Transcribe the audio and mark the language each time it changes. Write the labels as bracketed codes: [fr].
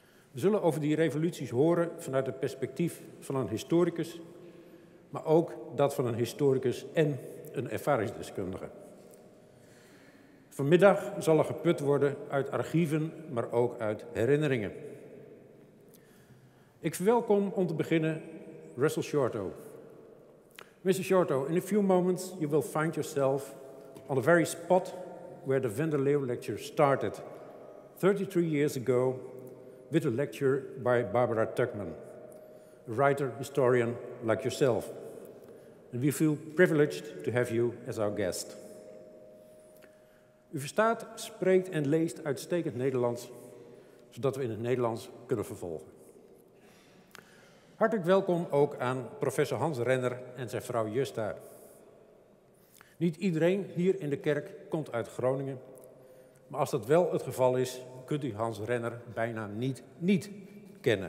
[nl] We zullen over die revoluties horen vanuit het perspectief van een historicus, maar ook dat van een historicus en een ervaringsdeskundige. Vanmiddag zal er geput worden uit archieven, maar ook uit herinneringen. Ik verwelkom om te beginnen Russell Shorto. [en] Mr. Shorto, in a few moments you will find yourself on the very spot where the Van der Leeuw lecture started 33 years ago with a lecture by Barbara Tuchman, a writer, historian like yourself. And we feel privileged to have you as our guest. [nl] U verstaat, spreekt en leest uitstekend Nederlands, zodat we in het Nederlands kunnen vervolgen. Hartelijk welkom ook aan professor Hans Renner en zijn vrouw Justa. Niet iedereen hier in de kerk komt uit Groningen, maar als dat wel het geval is, kunt u Hans Renner bijna niet kennen.